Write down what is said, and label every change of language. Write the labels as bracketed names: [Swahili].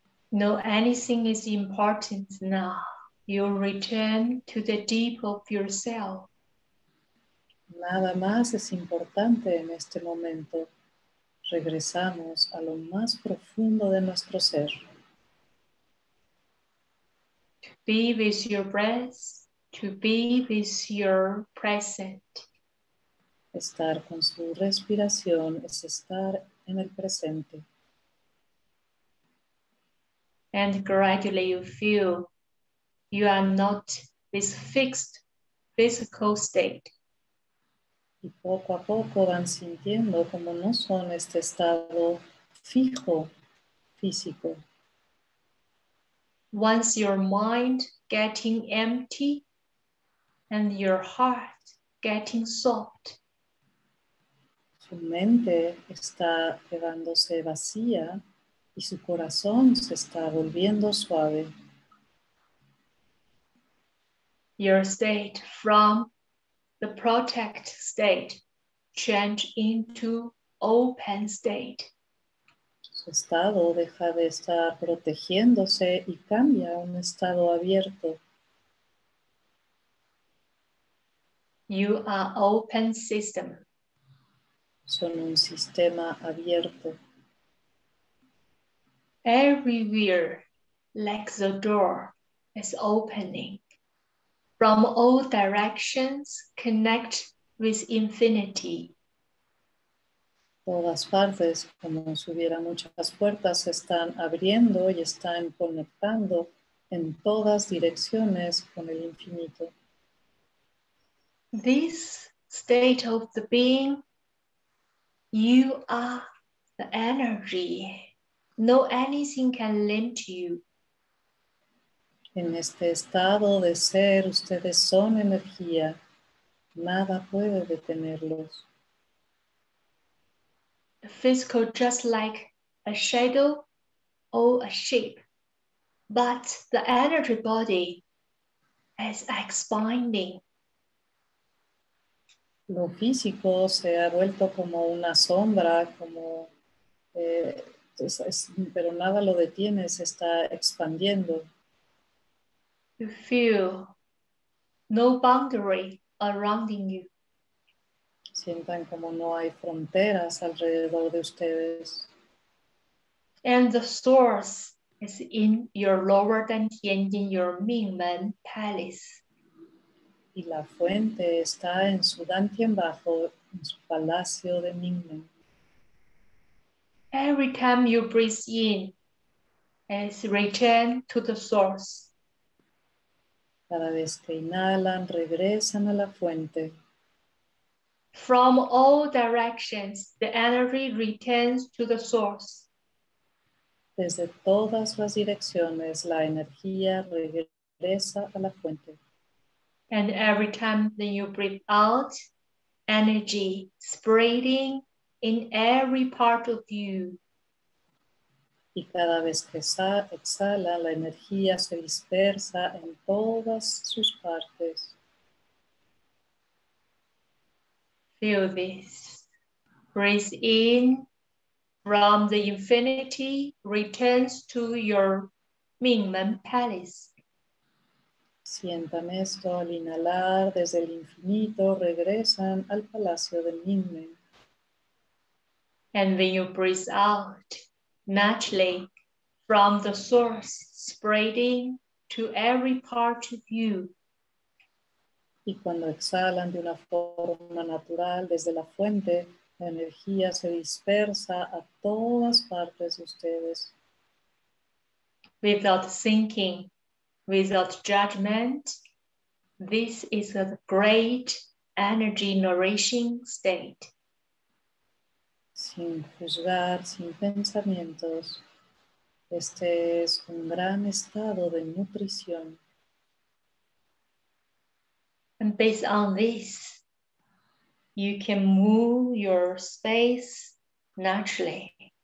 [English] No, anything is important now. You return to the deep of yourself. [Spanish] Nada más es importante en este momento. Regresamos a lo más profundo de nuestro ser. [English] To be with your breath, to be with your present. [Spanish] Estar con su respiración es estar en el presente. [English] And gradually you feel you are not this fixed physical state. [Spanish] Y poco a poco van sintiendo como no son este estado fijo físico. [English] Once your mind getting empty and your heart getting soft. [Spanish] Su mente está quedándose vacía y su corazón se está volviendo suave. [English] Your state from the protect state change into open state. [Spanish] Su estado deja de estar protegiéndose y cambia a un estado abierto. [English] You are open system. [Spanish] Son un sistema abierto. [English] Everywhere, like the door, is opening. From all directions, connect with infinity. [Spanish] Todas partes, como si hubiera muchas puertas, están abriendo y están conectando en todas direcciones con el infinito. [English] This state of the being, you are the energy. No anything can limit you. [Spanish] En este estado de ser, ustedes son energía. Nada puede detenerlos. [English] The physical just like a shadow or a shape. But the energy body is expanding. [Spanish] Lo físico se ha vuelto como una sombra, como... pero nada lo detiene, se está expandiendo. [English] You feel no boundary around you. [Spanish] Sientan como no hay fronteras alrededor de ustedes. [English] And the source is in your lower than Tianjin, your Mingmen palace. [Spanish] Y la fuente está en su Dantian Bajo, en su palacio de Mingmen. [English] Every time you breathe in, it's return to the source. [Spanish] Cada vez que inhalan, regresan a la fuente. [English] From all directions, the energy returns to the source. [Spanish] Desde todas las direcciones, la energía regresa a la fuente. [English] And every time that you breathe out, energy spreading in every part of you. [Spanish] Y cada vez que exhala, la energía se dispersa en todas sus partes. [English] Feel this. breathe in from the infinity returns to your Mingmen Palace. [Spanish] Siéntame esto al inhalar desde el infinito, regresan al palacio de Mingmen. [English] And then you breathe out naturally from the source spreading to every part of you. [Spanish] Y cuando exhalan de una forma natural desde la fuente, la energía se dispersa a todas partes de ustedes. [English] Without thinking, without judgment, this is a great energy nourishing state. [Spanish] Sin juzgar, sin pensamientos, este es un gran estado de nutrición. [English] And based on this, you can move your space naturally.